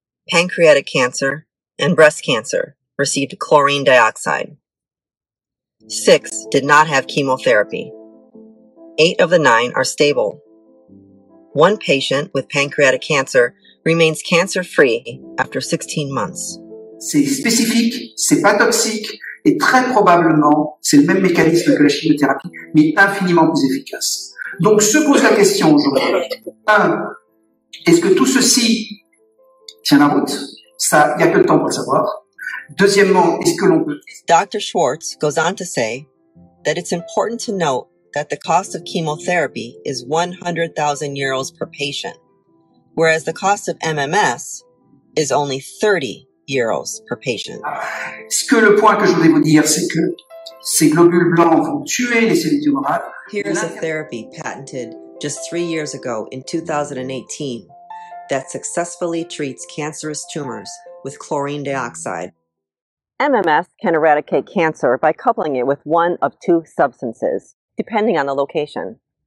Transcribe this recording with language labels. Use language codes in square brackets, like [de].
[en] pancreatic cancer, and breast cancer received chlorine dioxide. 6 did not have chemotherapy. 8 of the 9 are stable. 1 patient with pancreatic cancer remains cancer-free after 16 months. [fr] C'est spécifique, c'est pas toxique, et très probablement, c'est le même mécanisme que la chimiothérapie, mais infiniment plus efficace. Donc, se pose la question aujourd'hui. 1. Est-ce que tout ceci tient la route? Ça, il n'y a que le temps pour le savoir. Deuxièmement, est-ce que l'on peut... [en] Dr. Schwartz goes on to say that it's important to note that the cost of chemotherapy is 100,000 euros per patient, whereas the cost of MMS is only 30 euros per patient. [fr] Ce que le point que je voulais vous dire, c'est que ces globules blancs vont tuer les cellules tumorales. [en] Here's a therapy patented just 3 years ago in 2018 that successfully treats cancerous tumors with chlorine dioxide. MMS can eradicate cancer by coupling it with one of two substances, depending on the location.